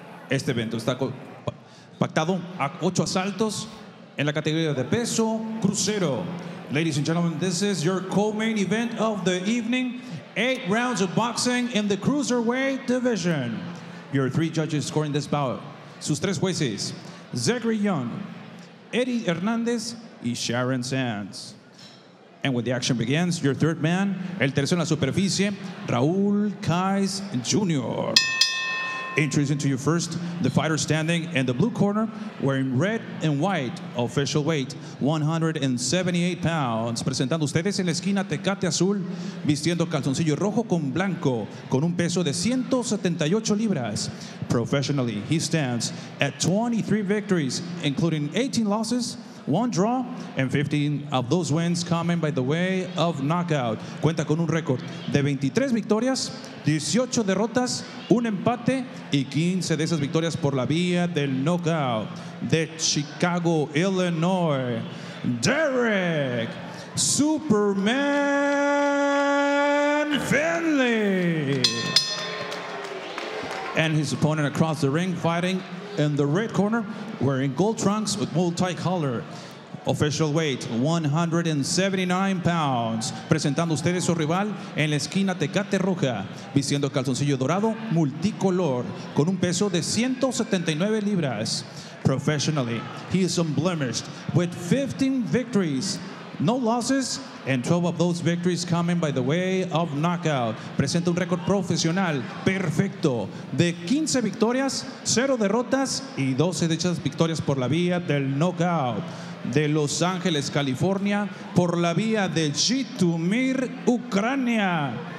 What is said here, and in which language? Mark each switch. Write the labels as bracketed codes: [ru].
[es] Este evento está pactado a 8 asaltos en la categoría de peso crucero. [en] Ladies and gentlemen, this is your co-main event of the evening. 8 rounds of boxing in the cruiserweight division. Your 3 judges scoring this bout. [es] Sus 3 jueces, [en] Zachary Young, Eddie Hernandez, y Sharon Sands. And when the action begins, your 3rd man, [es] el tercero en la superficie, [en] Raúl Kais Jr. Introducing to you first, the fighter standing in the blue corner, wearing red and white, official weight, 178 pounds. [es] Presentando ustedes en la esquina, Tecate Azul, vistiendo calzoncillo rojo con blanco, con un peso de 178 libras. [en] Professionally, he stands at 23 victories, including 18 losses, 1 draw, and 15 of those wins coming by the way of knockout. [es] Cuenta con un récord de 23 victorias, 18 derrotas, un empate, y 15 de esas victorias por la vía del knockout. De Chicago, Illinois, Derrick Superman Findley. [en] And his opponent across the ring, fighting in the red corner, wearing gold trunks with multi-color. Official weight, 179 pounds. [es] Presentando ustedes su rival en la esquina, Tecate Roja, vistiendo calzoncillo dorado multicolor con un peso de 179 libras. [en] Professionally, he is unblemished with 15 victories, no losses, and 12 of those victories coming by the way of knockout. [es] Presenta un récord profesional perfecto de 15 victorias, 0 derrotas, y 12 de esas victorias por la vía del knockout. De Los Ángeles, California, por la vía de Zhytomyr, Ucrania.